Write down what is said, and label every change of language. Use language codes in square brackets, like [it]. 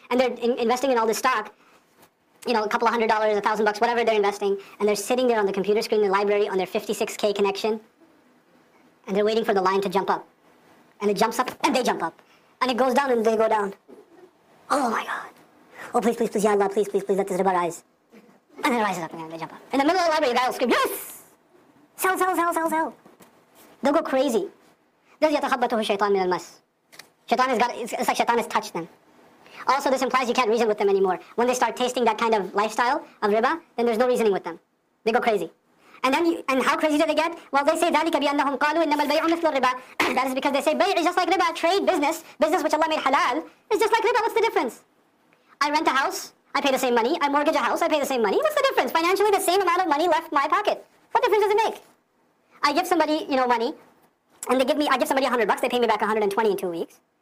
[en] And they're investing in all this stock, you know, a couple of $100, $1,000, whatever they're investing, and they're sitting there on the computer screen in the library on their 56K connection, and they're waiting for the line to jump up. And it jumps up, and they jump up. And it goes down, and they go down. Oh my God. Oh, please, please, please, ya Allah, please, please, please, let this riba rise. And then it rises up and they jump up. In the middle of the library, the guy will scream, yes! Sell, sell, sell, sell, sell. They'll go crazy. [ar] There's يَتَخَبَّتُهُ الشَّيْطَانُ مِنَ الْمَسِ. [en] Shaitan has got, it's like shaitan has touched them. Also, this implies you can't reason with them anymore. When they start tasting that kind of lifestyle of riba, then there's no reasoning with them. They go crazy. And how crazy do they get? Well, they say [ar] ذَلِكَ بِأَنَّهُمْ قَالُوا إِنَّمَا الْبَيْعُ مِثْلُ الرِّبَىٰ. [en] That is because they say, بَيْعُ is just like riba, trade, business which Allah made halal, is just like riba. What's the difference? I rent a house, I pay the same money. I mortgage a house, I pay the same money. What's the difference? Financially, the same amount of money left my pocket. What difference does it make? I give somebody, you know, money, and I give somebody $100, they pay me back 120 in 2 weeks.